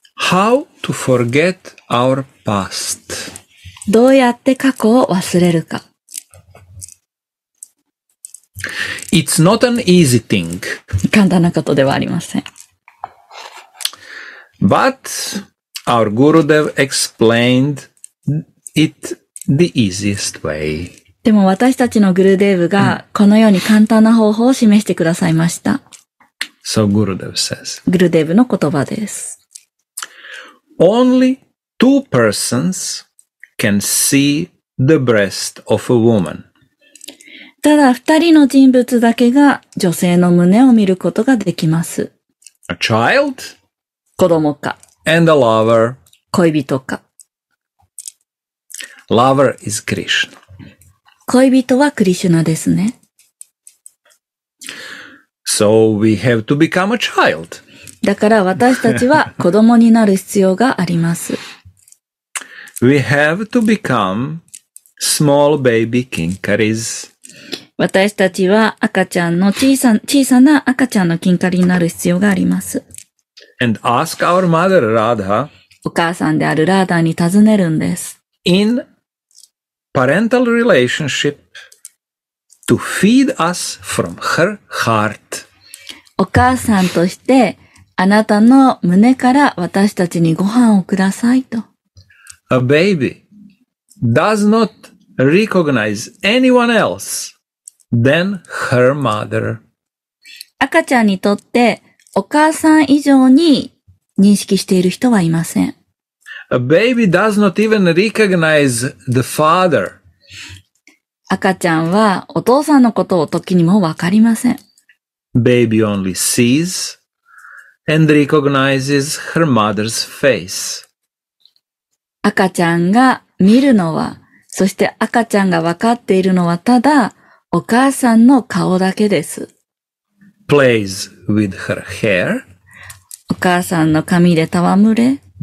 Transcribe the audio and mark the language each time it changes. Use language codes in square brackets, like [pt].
[en] How to forget our past? [ja] どうやって過去を忘れるか。 [en] It's not an easy thing. [ja] 簡単なことではありません。 [en] But our Gurudev explained it the easiest way. [ja] でも私たちのグルデーブがこのように簡単な方法を示してくださいました。 [en] So Gurudev says. [ja] グルデーブの言葉です。 [en] Only two persons can see the breast of a woman. [ja] ただ二人の人物だけが女性の胸を見ることができます。 [en] A child? [ja] 子供か。 [en] And a lover. [ja] 恋人か。 [en] Lover is Krishna. [ja] 恋人はクリシュナですね。 [en] So we have to become a child. [ja] だから私たちは子供になる必要があります。 [en] We have to become small baby kinkaris. [ja] 私たちは赤ちゃんの小さな赤ちゃんのキンカリになる必要があります。 [en] And ask our mother Radha. [ja] お母さんであるラーダに尋ねるんです。 [en] In parental relationship to feed us from her heart. [ja] お母さんとしてあなたの胸から私たちにご飯をくださいと。 [en] A baby does not recognize anyone else than her mother. [ja] 赤ちゃんにとってお母さん以上に認識している人はいません。 [en] A baby does not even recognize the father. [ja] 赤ちゃんはお父さんのことを時にもわかりません。 [en] Baby only sees and recognizes her mother's face. [ja] 赤ちゃんが見るのは、そして赤ちゃんがわかっているのはただお母さんの顔だけです。 [en] Plays with her hair. [ja] お母さんの髪で戯れ。